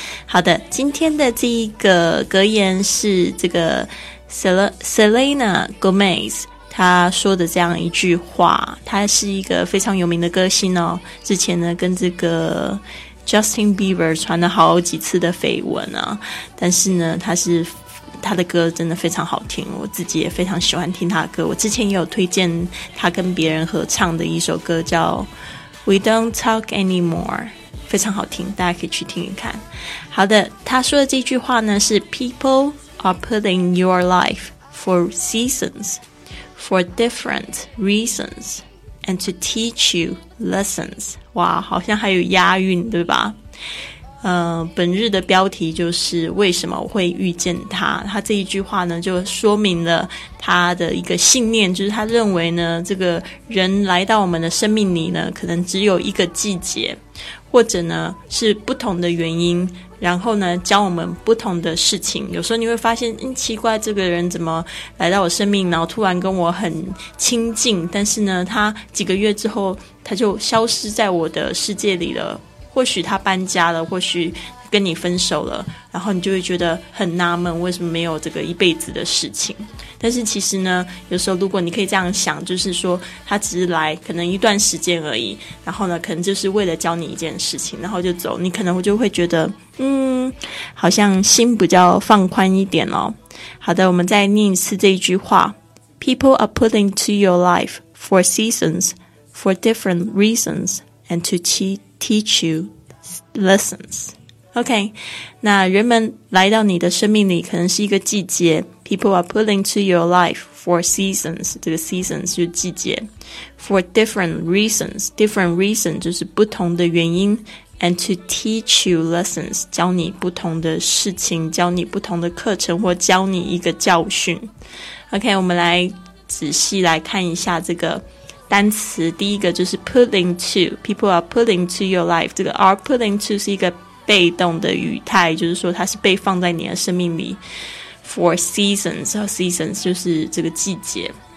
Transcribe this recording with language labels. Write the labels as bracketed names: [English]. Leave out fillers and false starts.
[Chinese] 好的，今天的这一个格言是这个 Selena Gomez 她说的这样一句话，她是一个非常有名的歌星哦，之前呢跟这个Justin Bieber 传了好几次的绯闻啊，但是呢他的歌真的非常好听，我自己也非常喜欢听他的歌，我之前也有推荐他跟别人合唱的一首歌叫 We Don't Talk Anymore， 非常好听，大家可以去听一看。好的，他说的这句话呢是 [English] People are put in your life for seasons for different reasonsAnd to teach you lessons. [Chinese] 哇，好像还有押韵，对吧？本日的标题就是为什么我会遇见他。他这一句话呢，就说明了他的一个信念，就是他认为呢，这个人来到我们的生命里呢，可能只有一个季节，或者呢是不同的原因，然后呢教我们不同的事情。有时候你会发现，奇怪，这个人怎么来到我生命，然后突然跟我很亲近，但是呢他几个月之后他就消失在我的世界里了，或许他搬家了，或许跟你分手了，然后你就会觉得很纳闷，为什么没有这个一辈子的事情。但是其实呢，有时候如果你可以这样想，就是说他只是来可能一段时间而已，然后呢可能就是为了教你一件事情然后就走，你可能就会觉得好像心比较放宽一点哦。好的，我们再念一次这一句话， [English] People are put into your life for seasons for different reasons and to teach you [Chinese] lessonsOK, 那人们来到你的生命里可能是一个季节， [English] People are put into your life for seasons， [Chinese] 这个 seasons 就是季节， [English] For different reasons， [Chinese] different reason 就是不同的原因， [English] And to teach you lessons， [Chinese] 教你不同的事情，教你不同的课程，或教你一个教训。 OK， 我们来仔细来看一下这个单词。第一个就是 put into， [English] People are put into your life， [Chinese] 这个 are put into 是一个被动的语态，就是说它是被放在你的生命里。 [English] For seasons， [Chinese] seasons 就是这个季节。